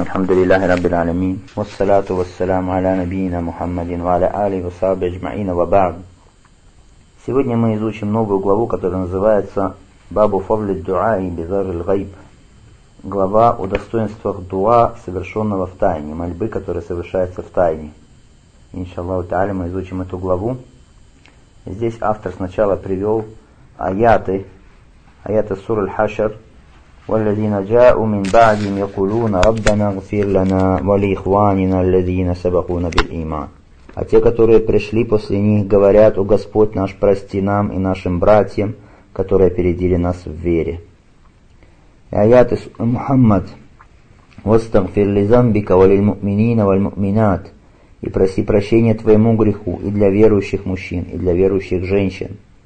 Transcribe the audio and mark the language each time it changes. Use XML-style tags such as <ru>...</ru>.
<ar>الحمد لله رب العالمين، والصلاة والسلام على نبينا محمد وعلى آله وصحبه أجمعين، وبعد.</ar> <ru>Сегодня мы изучим новую главу, которая называется</ru> <ar>«Бабу фавли дуа и бидар ль-гайб».</ar> <ru>Глава о достоинствах дуа, совершенного в тайне, мольбы, которая совершается в тайне. Иншаллаху тааля, мы изучим эту главу. Здесь автор сначала привел аяты, аяты сур аль-хашр.</ru> <ar>والذين جاءوا من بعدهم يقولون ربنا اغفر لنا ولإخواننا الذين سبقونا بالإيمان.</ar> <ru>А те, которые пришли после них, говорят: «О Господь наш, прости нам и нашим братьям, которые опередили нас в вере». Аят из Мухаммад:</ru> <ar>«Востагфир ли замбика валиль муминина валь муминат».</ar> <ru>И проси прощения твоему греху и для верующих мужчин, и для верующих женщин.</ru>